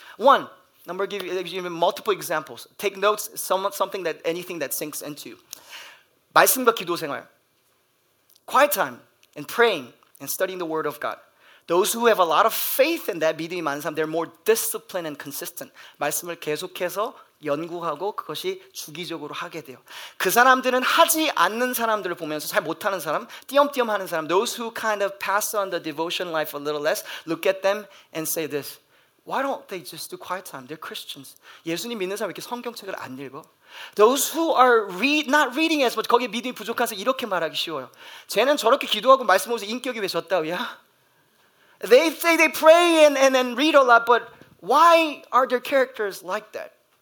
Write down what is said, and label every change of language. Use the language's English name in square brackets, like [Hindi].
[English] One, I'm going to give you multiple examples. Take notes, something that anything that sinks into. [Korean] 말씀과 기도 생활. [English] Quiet time and praying and studying the word of God. Those who have a lot of faith in that, [Korean] 믿음이 많은 사람, [English] they're more disciplined and consistent. [Korean] 말씀을 계속해서 연구하고 그것이 주기적으로 하게 돼요. 그 사람들은 하지 않는 사람들을 보면서 잘 못하는 사람, 띄엄띄엄 하는 사람, [English] those who kind of pass on the devotion life a little less, look at them and say this, why don't they just do quiet time? They're Christians. [Korean] 예수님 믿는 사람 왜 이렇게 성경책을 안 읽어? [English] Those who are not reading as much, [Korean] 거기에 믿음이 부족해서 이렇게 말하기 쉬워요. 쟤는 저렇게 기도하고 말씀 보면서 인격이 왜 졌다고요? [English] They say they pray and read a lot, but why are their characters like that?